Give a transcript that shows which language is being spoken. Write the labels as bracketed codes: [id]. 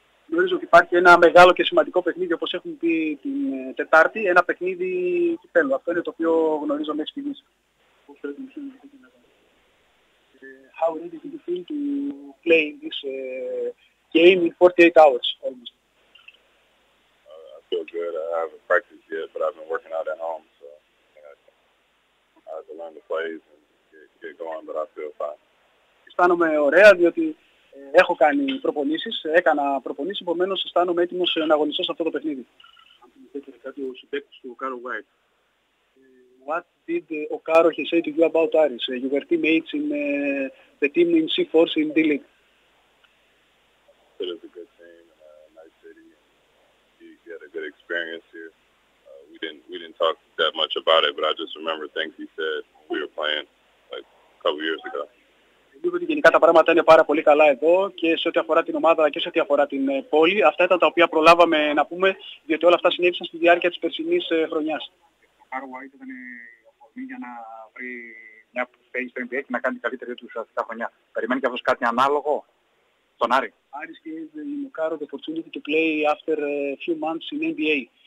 [el] Γνωρίζω ότι υπάρχει ένα μεγάλο και σημαντικό παιχνίδι, όπως έχουν πει την Τετάρτη, ένα παιχνίδι κυπέλλου. Αυτό είναι το οποίο γνωρίζω μέχρι στιγμής. [en] How ready do you feel to play this game in 48 hours almost? I feel good. I haven't practiced yet, but I've been working out at home, so I have to learn the plays and get going, but I feel fine. [el] Αισθάνομαι ωραία, διότι έχω κάνει προπονήσεις, έκανα προπονήσεις, επομένως αισθάνομαι έτοιμος να αγωνιστώ σε αυτό το παιχνίδι. Αν θέλετε κάτι ο συμπαίκτης του Κάρο Γουάιτ. [en] What did Ocaro he say to you about Aris? You were teammates in the team in C4 in D-League. It was a good team in a nice city. He had a good experience here. We didn't talk that much about it, but I just remember things he said we were playing like a couple years ago. [el] Ότι γενικά τα πράγματα είναι πάρα πολύ καλά εδώ και σε ό,τι αφορά την ομάδα και σε ό,τι αφορά την πόλη. Αυτά ήταν τα οποία προλάβαμε να πούμε, διότι όλα αυτά συνέβησαν στη διάρκεια της περσινής χρονιάς. Ο Κάρο Γουάιτ ήταν η αφορμή για να βρει μια θέση στο NBA και να κάνει καλύτερη του ουσιαστικά χρονιά. Περιμένει και αυτός κάτι ανάλογο στον Άρη. Άρης και ο Κάρο, [en] the opportunity to play after a few months in NBA.